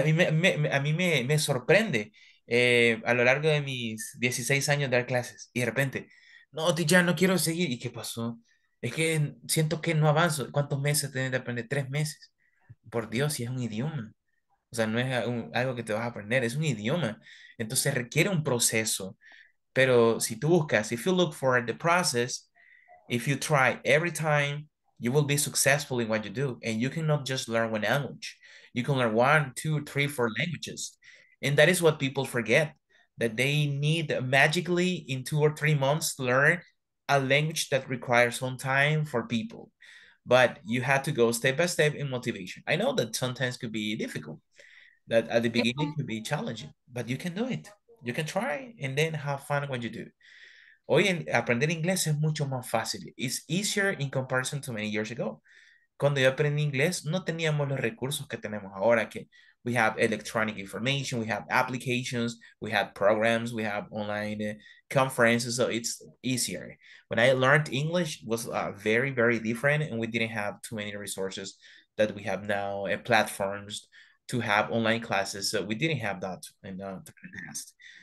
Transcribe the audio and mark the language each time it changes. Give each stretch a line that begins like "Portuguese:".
Spanish: A mí me sorprende a lo largo de mis 16 años de dar clases y de repente, no, ya no quiero seguir. ¿Y qué pasó? Es que siento que no avanzo. ¿Cuántos meses tienes de aprender? 3 meses. Por Dios, si es un idioma. O sea, no es algo que te vas a aprender, es un idioma. Entonces requiere un proceso. Pero si tú buscas,
English: if you look for the process, if you try every time, you will be successful in what you do. And you cannot just learn one language. You can learn 1, 2, 3, 4 languages. And that is what people forget, that they need magically in 2 or 3 months to learn a language that requires some time for people. But you have to go step by step in motivation. I know that sometimes could be difficult, that at the beginning could be challenging, but you can do it. You can try and then have fun when you do.
Spanish: Hoy en aprender inglés es mucho más fácil.
English: It's easier in comparison to many years ago.
Spanish: Cuando yo aprendí inglés, no teníamos los recursos que tenemos ahora, que
English: we have electronic information, we have applications, we have programs, we have online conferences, so it's easier. When I learned English, it was very, very different, and we didn't have too many resources that we have now, platforms to have online classes, so we didn't have that in the past.